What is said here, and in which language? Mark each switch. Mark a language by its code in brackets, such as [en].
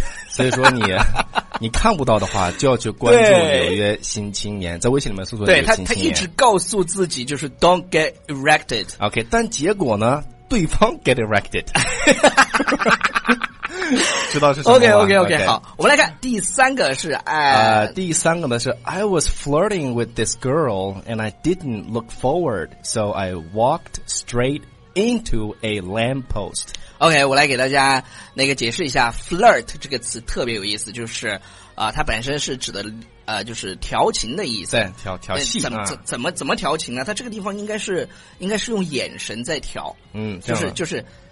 [zh] 所以说你看不到的话，就要去关注纽约新青年，在微信里面搜索。对，他一直告诉自己就是 [en] don't get erected。 [zh] OK， 但结果呢，对方 [en] get erected。 [zh] 知道是什么吗？OK OK OK， 好，我们来看第三个是第三个呢是 [en] I was flirting with this girl and I didn't look forward, so I walked straight into a lamp post. [zh] OK， 我来给大家那个解释一下 flirt 这个词特别有意思，就是它本身是指的就是调情的意思，对，调戏、啊、怎么调情呢？它这个地方应该是用眼神在调，嗯，就是。